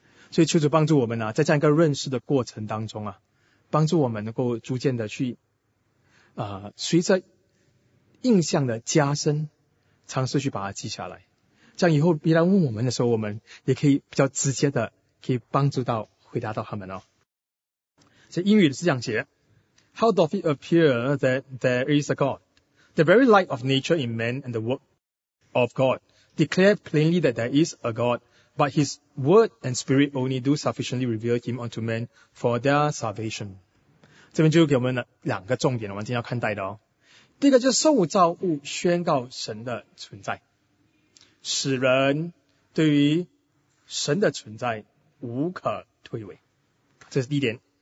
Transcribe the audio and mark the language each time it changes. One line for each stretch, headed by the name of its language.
Chinese: 所以求主帮助我们啊，在这样一个认识的过程当中啊，帮助我们能够逐渐的去随着印象的加深，尝试去把它记下来。这样以后别人问我们的时候，我们也可以比较直接的可以帮助到回答到他们哦。所以英语的思想节
English: ,How doth it appear that there is a God? The very light of nature in man and the work of God declare plainly that there is a God, but his word and spirit only do sufficiently reveal him unto men for their salvation.
Chinese: 这边就给我们两个重点我们今天要看待的哦。第一个就是受造物宣告神的存在。使人对于神的存在无可推诿。这是第一点。